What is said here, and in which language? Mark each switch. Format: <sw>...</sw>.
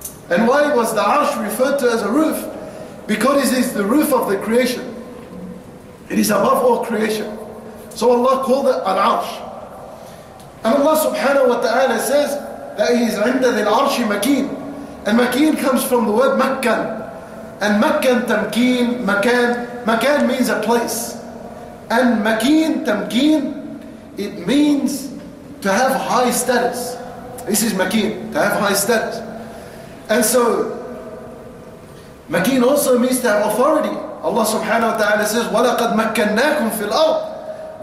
<en>And why was the arsh referred to as a roof? Because it is the roof of the creation. It is above all creation. So Allah called it an arsh. And Allah subhanahu wa ta'ala says that he is</en> <ar>عند ذي العرش مكين.</ar> <en>And مكين comes from the word مكان.</en> <ar>And مكان تمكين, مكان.</ar> <en>مكان means a place. And مكين تمكين, it means to have high status. This is Makin, to have high status. And so, Makin also means to have authority. Allah subhanahu wa ta'ala says,</en> <ar>وَلَقَدْ مَكَّنَّاكُمْ فِي الْأَرْضِ.</ar>